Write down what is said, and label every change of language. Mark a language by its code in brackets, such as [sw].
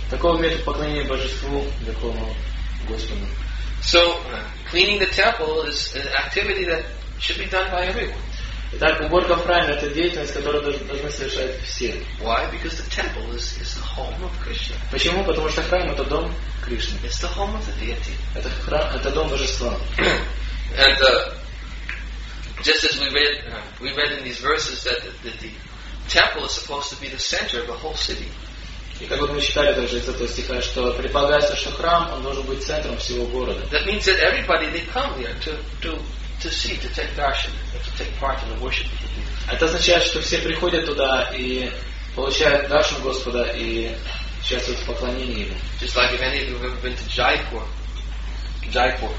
[ru] Такой метод поклонения Божеству Верховному Господу. [en] So, cleaning the temple is an activity that should be done by everyone. [ru] Итак, уборка в храме — это деятельность, которую должны совершать все. [en] Why? Because the temple is the home of Krishna. [ru] Почему? Потому что храм — это дом Кришны. [en] It's the home of the deity. [ru] Это дом Божества. [en] And just as we read in these verses that the temple is supposed to be the center of the whole city. [ru] И как вот мы читали даже из этого стиха, что предполагается, что храм он должен быть центром всего города. [en] That means that everybody they come here to see, to take darshan, to take part in the worship of the deity. [ru] Это означает, что все приходят туда и получают даршан Господа и участвуют в поклонении Ему. [en] Just like if any of you have ever been to Jaipur, India.